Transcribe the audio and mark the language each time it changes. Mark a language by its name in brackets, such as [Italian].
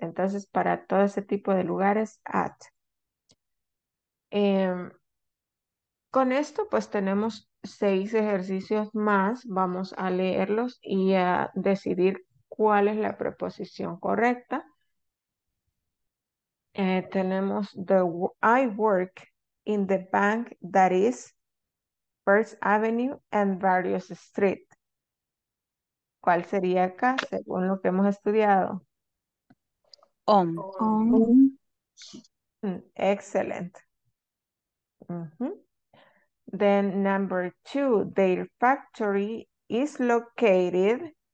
[Spanish] Entonces, para todo ese tipo de lugares, at. Con esto, pues tenemos 6 ejercicios más. Vamos a leerlos y a decidir cuál es la preposición correcta. [English] Tenemos I work in the bank that is First Avenue and various streets. [Spanish] ¿Cuál sería acá según lo que hemos estudiado? [English] On. On. [Spanish] Excelente. [English] Then number 2, their factory is located.